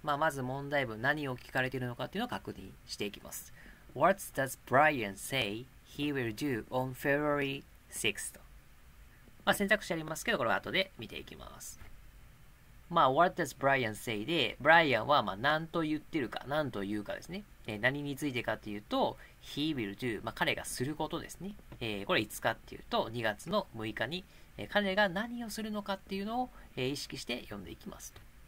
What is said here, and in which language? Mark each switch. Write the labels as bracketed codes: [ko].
[ja] まず問題文、何を聞かれているのかというのを確認していきます。 [en] What does Brian say he will do on February 6th？ [ja] 選択肢ありますけど、これは後で見ていきます。 [en] What does Brian say [ja] で、ブライアンは何と言ってるか、何と言うかですね。何についてかというと、 [en] He will do、 [ja] 彼がすることですね。これいつかっていうと、2月の6日に、彼が何をするのかっていうのを、意識して読んでいきますと。